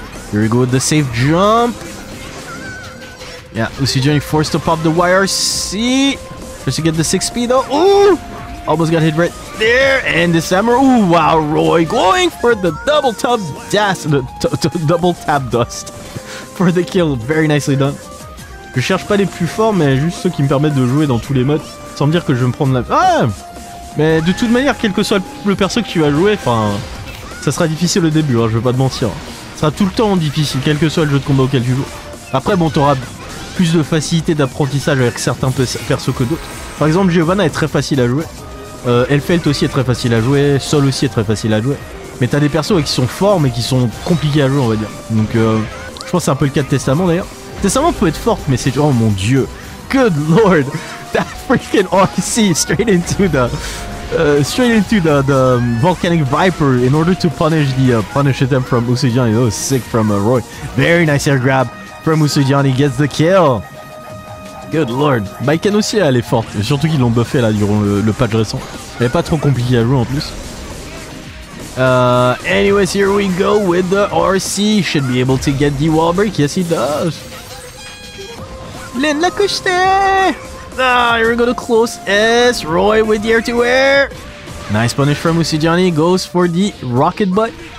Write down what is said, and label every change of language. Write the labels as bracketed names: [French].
[English] Here we go with the safe jump. Yeah, UsuiJohnny forced to pop the YRC. Just to get the 6P though. Ooh! Almost got hit right there. And this hammer. Ooh, wow, Roy going for the double tap dust. Double tap dust. For the kill. Very nicely done. [French] Je cherche pas les plus forts, mais juste ceux qui me permettent de jouer dans tous les modes. Sans me dire que je vais me prendre la. Ah! Mais de toute manière, quel que soit le perso que tu vas jouer, enfin. Ça sera difficile au début, hein, je veux pas te mentir. Ça sera tout le temps difficile, quel que soit le jeu de combat auquel tu joues. Après, bon, t'auras plus de facilité d'apprentissage avec certains persos que d'autres. Par exemple, Giovanna est très facile à jouer. Elphelt aussi est très facile à jouer. Sol aussi est très facile à jouer. Mais t'as des persos qui sont forts, mais qui sont compliqués à jouer, on va dire. Donc, je pense que c'est un peu le cas de Testament, d'ailleurs. Testament peut être forte, mais c'est... Oh, mon Dieu. [English] Good Lord. That freaking RC straight into the... Straight into the Volcanic Viper in order to punish the punish them from UsuiJohnny. That was sick from Roy. Very nice air grab from UsuiJohnny. Gets the kill. Good lord. [French] Baiken aussi, elle est forte. Et surtout qu'ils l'ont buffé là durant le patch récent. Elle est pas trop compliquée à jouer en plus. [English] Anyways, here we go with the RC. Should be able to get the wall break. Yes, he does. [French] Blend la couche. [English] Ah, here we go to close S. Roy with the air to air. Nice punish from UsuiJohnny. Goes for the rocket butt.